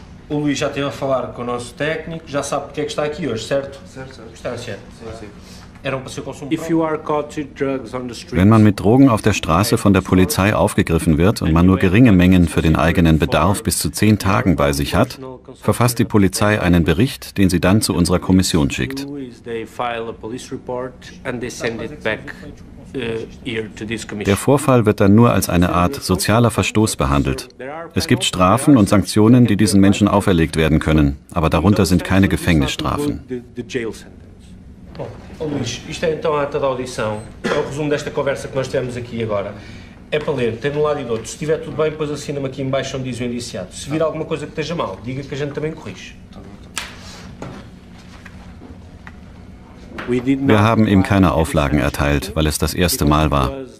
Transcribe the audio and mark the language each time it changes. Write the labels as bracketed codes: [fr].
[pt] O Luís já esteve a falar com o nosso técnico, já sabe porque é que está aqui hoje, certo? [de] Wenn man mit Drogen auf der Straße von der Polizei aufgegriffen wird und man nur geringe Mengen für den eigenen Bedarf bis zu 10 Tagen bei sich hat, verfasst die Polizei einen Bericht, den sie dann zu unserer Kommission schickt. Der Vorfall wird dann nur als eine Art sozialer Verstoß behandelt. Es gibt Strafen und Sanktionen, die diesen Menschen auferlegt werden können, aber darunter sind keine Gefängnisstrafen. [pt] Luís, isto é então a ata da audição. É o resumo desta conversa que nós tivemos aqui agora. É para ler, tem de um lado e do outro. Se estiver tudo bem, depois assina-me aqui em baixo onde diz o indiciado. Se vir alguma coisa que esteja mal, diga que a gente também corrige. [de] Wir haben ihm keine Auflagen erteilt, weil es das erste Mal war.